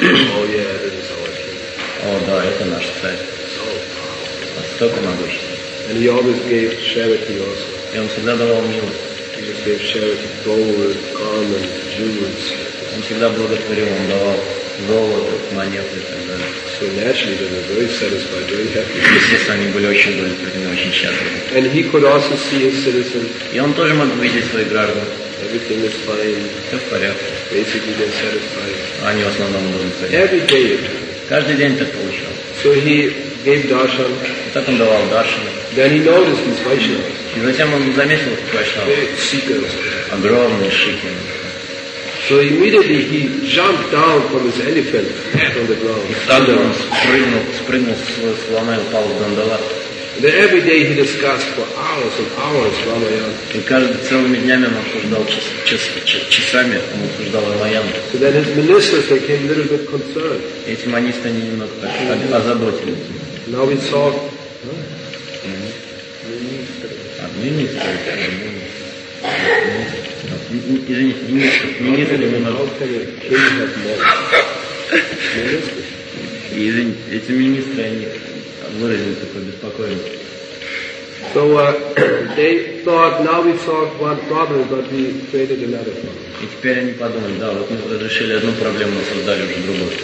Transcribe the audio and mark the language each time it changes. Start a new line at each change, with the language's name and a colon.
English: Oh yeah, this is our king.
Russian: О, да, это наш царь.
English: So powerful.
Russian: Столько могущий.
English: And he always gave charity also.
Russian: И он всегда давал милость.
English: He just gave charity, gold, common, jewels.
Russian: Он всегда благотворил, он давал золото, монеты и так далее.
English: So naturally they were very satisfied, very happy.
Russian: Естественно, они были очень удовлетворены, очень счастливы.
English: And he could also see his citizen.
Russian: И он тоже мог видеть своих граждан.
English: Everything is fine.
Russian: Все в порядке.
English: Basically they're satisfied.
Russian: Они в основном удовлетворены.
English: Every day.
Russian: Каждый день так получалось.
English: So he gave darshan.
Russian: И так он давал даршан.
English: Then he noticed these Vaishnavas.
Russian: И затем он заметил этих
English: Vaishnavas.
Russian: Огромные шики.
English: So immediately he jumped down from his elephant on the ground.
Russian: И тогда он спрыгнул с своего слона и упал в Дандалат.
English: And every day he discussed for hours and hours Ramayana.
Russian: И каждый целыми днями он обсуждал часами он обсуждал Рамаяну.
English: So then his ministers became a little bit concerned.
Russian: Эти манисты они немного так озаботили.
English: Now we saw.
Russian: Извините, эти министры, они выразили такое беспокойство.
English: So they thought, now we solved one problem, but we created another problem.
Russian: И теперь они подумали, да, вот мы разрешили одну проблему, но создали уже другую.